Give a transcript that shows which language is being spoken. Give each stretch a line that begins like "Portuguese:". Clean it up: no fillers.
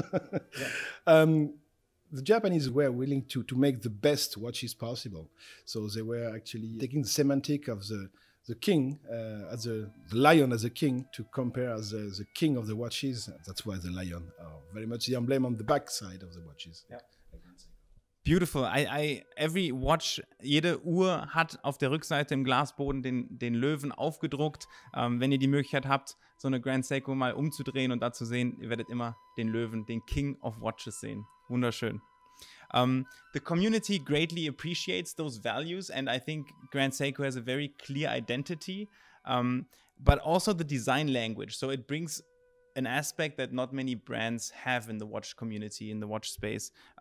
English: Yeah. The Japanese were willing to make the best watches possible. So they were actually taking the semantic of the king, the lion as a king, to compare as the king of the watches. That's why the lion are very much the emblem on the backside of the watches. Yeah. Beautiful.
German: Jede Uhr hat auf der Rückseite im Glasboden den Löwen aufgedruckt. Wenn ihr die Möglichkeit habt, so eine Grand Seiko mal umzudrehen und da zu sehen, ihr werdet immer den Löwen, den
English: King of Watches
German: sehen. Wunderschön.
English: The community greatly appreciates those values, and I think Grand Seiko has a very clear identity, but also the design language. So it brings an aspect that not many brands have in the watch community, in the watch space.